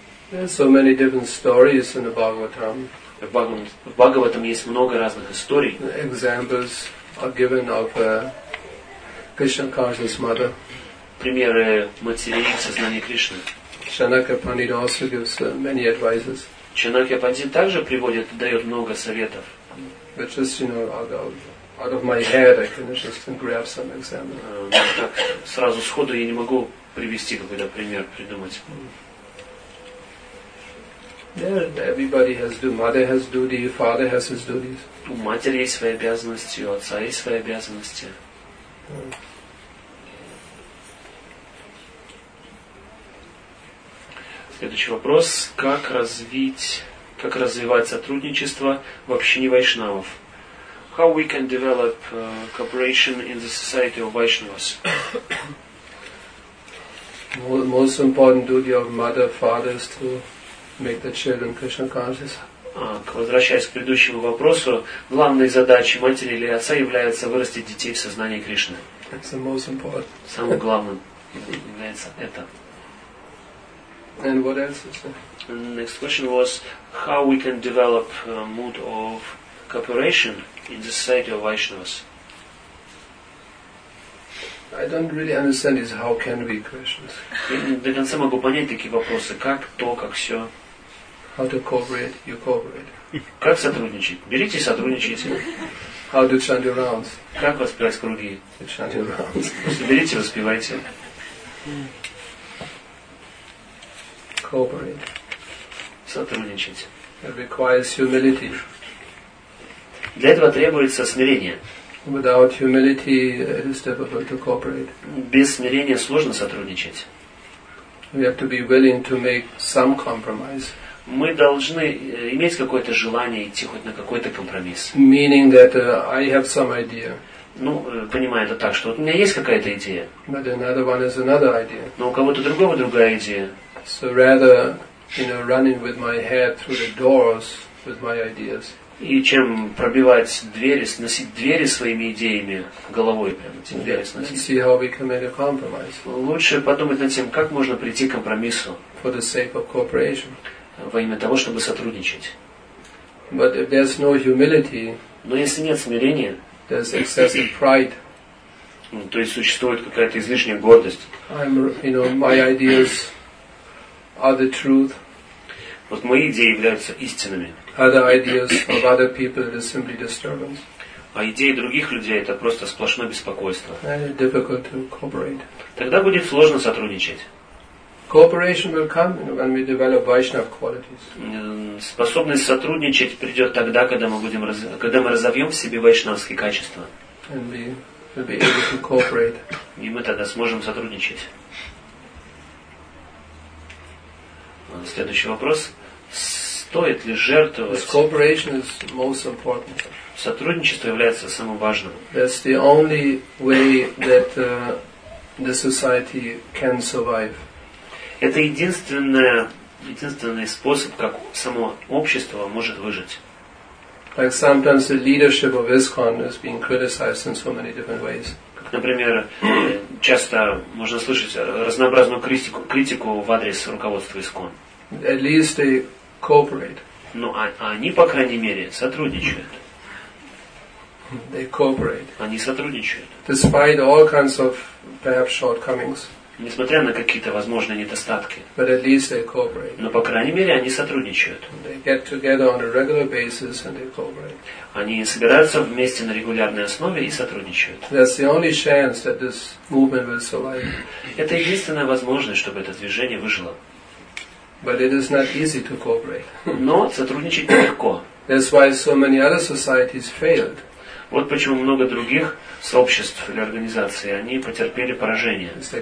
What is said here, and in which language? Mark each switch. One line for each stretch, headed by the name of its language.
English: There are so many different stories in the Bhagavatam.
Russian: В Бхагаватам есть много разных историй.
English: Examples are given of Krishna conscious mother.
Russian: Примеры матерей в сознании Кришны.
English: Chanakya Pandit also gives many advices.
Russian: Chanakya Pandit также приводит, дает много советов.
English: But just, you know, out of my head, I can just grab some examples.
Russian: Так, сразу сходу я не могу привести какой-то пример, придумать.
English: Yeah, everybody has duty. Mother has duty. Father has his duties.
Russian: У матери есть свои обязанности, у отца есть свои обязанности. Следующий вопрос: как развивать сотрудничество в общине вайшнавов?
English: How we can develop cooperation in the society of Vaishnavas? Most important duty of mother, father is to make the children Krishna conscious.
Russian: Возвращаясь к предыдущему вопросу, главной задачей матери или отца является вырастить детей в сознании Кришны.
English: That's the most important.
Russian: Самым главным является это.
English: And what else is there? Next question was, how we can develop a mood of cooperation in the society of Vaishnavas? I don't really understand is how can we, Krishna.
Russian: До конца могу понять такие вопросы, как то, как все.
English: How to cooperate, you cooperate.
Russian: Как сотрудничать? Берите и сотрудничайте.
English: How to chant your rounds.
Russian: Как воспевать круги?
English: Chant your rounds.
Russian: Берите и воспевайте.
English: Cooperate.
Russian: Сотрудничать.
English: It requires humility.
Russian: Для этого требуется смирение.
English: Without humility, it is difficult to cooperate.
Russian: Без смирения сложно сотрудничать.
English: We have to be willing to make some compromise.
Russian: Мы должны иметь какое-то желание идти хоть на какой-то компромисс.
English: Meaning that I have some idea.
Russian: Ну, понимаю это так, что вот у меня есть какая-то идея.
English: But another one is another idea.
Russian: Но у кого-то другого другая идея.
English: So rather, you know, running with my head through the doors with my ideas.
Russian: И чем пробивать двери, сносить двери своими идеями головой прямо, эти двери сносить.
English: See how we can make a compromise.
Russian: Лучше подумать над тем, как можно прийти к компромиссу.
English: For the sake of cooperation.
Russian: Во имя того, чтобы сотрудничать.
English: But if there's no humility,
Russian: но если нет смирения,
English: there's excessive pride.
Russian: То есть существует какая-то излишняя гордость.
English: I'm, you know, my ideas are the truth.
Russian: Вот мои идеи являются истинными.
English: Other ideas of other people are simply disturbance.
Russian: А идеи других людей – это просто сплошное беспокойство.
English: And it's difficult to cooperate.
Russian: Тогда будет сложно сотрудничать.
English: Cooperation will come when we develop Vaishnava qualities.
Russian: Способность сотрудничать придет тогда, когда мы будем, когда мы разовьем в себе вайшнавские качества.
English: And we will be able to cooperate.
Russian: И мы тогда сможем сотрудничать. Следующий вопрос: стоит ли жертвовать?
English: This cooperation is most important.
Russian: Сотрудничество является самым важным.
English: That's the only way that the society can survive.
Russian: Это единственный способ, как само общество может выжить. Как, например, часто можно слышать разнообразную критику в адрес руководства ИСКОН.
English: At least they cooperate.
Russian: Ну, а они, по крайней мере, сотрудничают.
English: They cooperate.
Russian: Они сотрудничают.
English: Despite all kinds of perhaps shortcomings.
Russian: несмотря на какие-то возможные недостатки.
English: But at least they cooperate.
Russian: Но, по крайней мере, они сотрудничают.
English: They get together on a regular basis and they cooperate.
Russian: Они собираются вместе на регулярной основе и сотрудничают.
English: That's the only chance that this movement will survive.
Russian: Это единственная возможность, чтобы это движение выжило.
English: But it is not easy to cooperate.
Russian: Но сотрудничать нелегко.
English: That's why so many other societies failed.
Russian: Вот почему много других сообществ или организаций, они потерпели поражение.